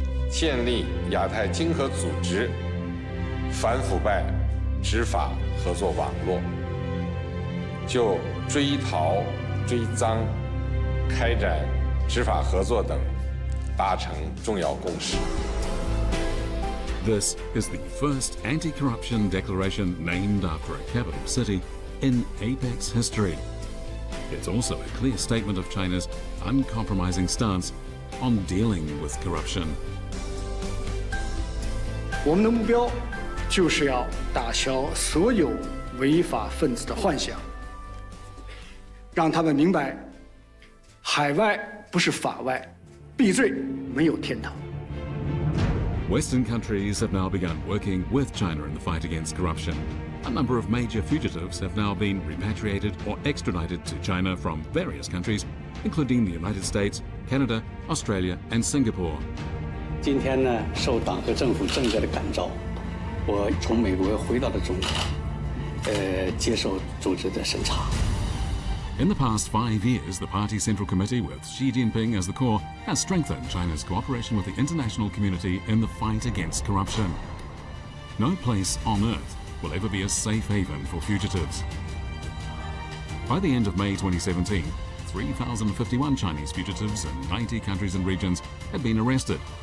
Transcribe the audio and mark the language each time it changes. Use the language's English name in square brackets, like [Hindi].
[Chinese] 建立亚太经合组织反腐败执法合作网络，就追逃追赃开展执法合作等达成重要共识。 [English] This is the first anti-corruption declaration named after a capital city in APEC history. It's also a clear statement of China's uncompromising stance on dealing with corruption. [Chinese] 我们的目标就是要打消所有违法分子的幻想，让他们明白海外不是法外，避罪没有天堂。 [English] Western countries have now begun working with China in the fight against corruption. A number of major fugitives have now been repatriated or extradited to China from various countries, including the United States, Canada, Australia and Singapore. [Chinese] 今天呢，受党和政府政策的感召，我从美国回到了中国，接受组织的审查。 [English] In the past 5 years, the Party Central Committee with Xi Jinping as the core has strengthened China's cooperation with the international community in the fight against corruption. No place on earth will ever be a safe haven for fugitives. By the end of May 2017, 3,051 Chinese fugitives in 90 countries and regions had been arrested.